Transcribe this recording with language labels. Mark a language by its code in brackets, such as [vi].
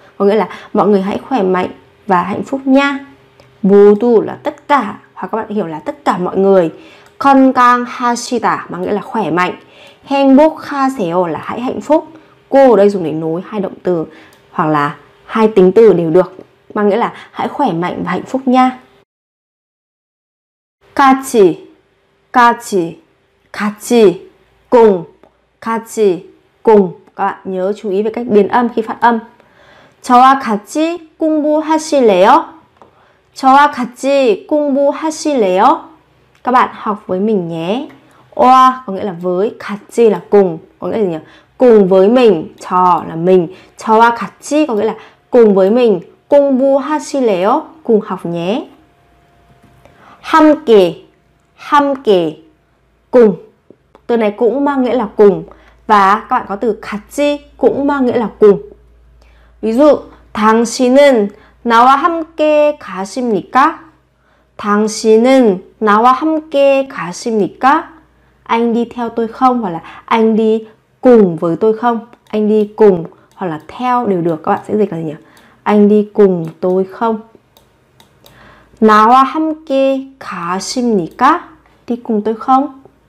[vi] Có nghĩa là mọi người hãy khỏe mạnh và hạnh phúc nha. 모두 là tất cả, hoặc các bạn hiểu là tất cả mọi người. 건강하시다 mà nghĩa là khỏe mạnh. 행복하세요 là hãy hạnh phúc. Cô ở đây dùng để nối hai động từ hoặc là hai tính từ đều được, mà nghĩa là hãy khỏe mạnh và hạnh phúc nha. [ko] 같이, 같이, 같이, cùng, 같이, cùng. [vi] Các bạn nhớ chú ý về cách biến âm khi phát âm. [ko] 저와 같이 공부하실래요? 저와 같이 공부하실래요? [vi] Các bạn học với mình nhé. 와 có nghĩa là với, 같이 là cùng, có nghĩa là gì nhỉ? Cùng với mình, 저 là mình, 저와 같이 có nghĩa là cùng với mình, 공부하실래요? Cùng học nhé. [ko] 함께, 함께, [vi] cùng. Từ này cũng mang nghĩa là cùng, và các bạn có từ 같이 cũng mang nghĩa là cùng. Ví dụ, [ko] 당신은 나와 함께 가십니까? 당신은 나와 함께 가십니까? [vi] Anh đi theo tôi không? Hoặc là anh đi cùng với tôi không? Anh đi cùng hoặc là theo đều được. Các bạn sẽ dịch là gì nhỉ? Anh đi cùng tôi không? [ko] 나와 함께 가십니까? [vi] Đi cùng tôi không?